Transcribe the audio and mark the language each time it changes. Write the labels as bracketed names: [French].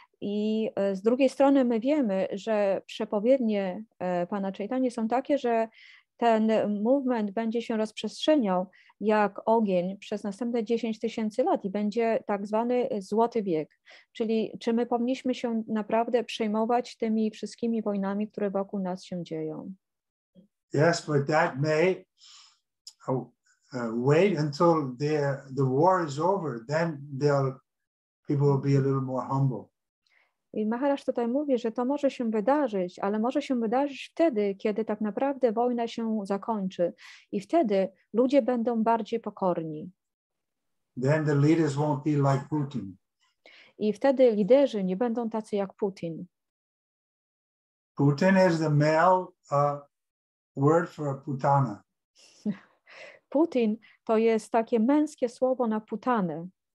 [Polish] I z drugiej strony my wiemy, że przepowiednie Pana Chaitanya są takie, że ten movement będzie się rozprzestrzeniał jak ogień przez następne 10 tysięcy lat i będzie tak zwany złoty wiek. Czyli czy my powinniśmy się naprawdę przejmować tymi wszystkimi wojnami, które wokół nas się dzieją? [English] Yes, but that may wait until the war is over, then people will be a little more humble. [Polish] I Maharaj tutaj mówi, że to może się wydarzyć, ale może się wydarzyć wtedy, kiedy tak naprawdę wojna się zakończy i wtedy ludzie będą bardziej pokorni. [English] Then the leaders won't be like Putin. [Polish] I wtedy liderzy nie będą tacy jak Putin. [English] Putin is the male word for putana. [Polish] Putin to jest takie męskie słowo na putanę.